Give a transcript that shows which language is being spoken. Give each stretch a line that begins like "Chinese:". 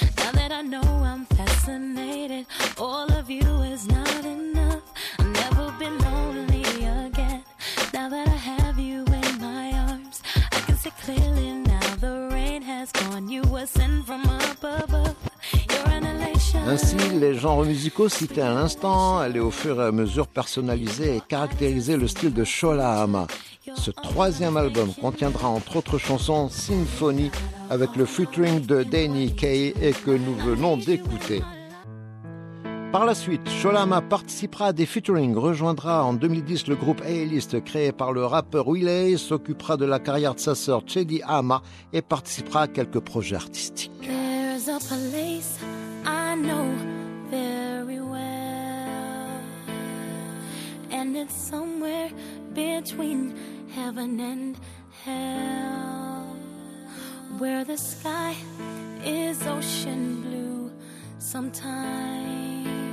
English: Now that I know I'm fascinated, all of you is not enough. I'll never be lonely again. Now that I have you in my arms, clearly now the rain has gone. You were sent from up above. You're an elation.
French: Ainsi, les genres musicaux cités à l'instant allaient au fur et à mesure personnaliser et caractériser le style de Sholam. Ce troisième album contiendra entre autres chansons Symphony avec le featuring de Danny Kaye et que nous venons d'écouter. Par la suite, Sholam participera à des featurings, rejoindra en 2010 le groupe A-List créé par le rappeur Willey, s'occupera de la carrière de sa sœur Chedi Ama et participera à quelques projets artistiques.
English: There's a place I know very well, and it's somewhere between heaven and hell, where the sky is ocean blue sometimes.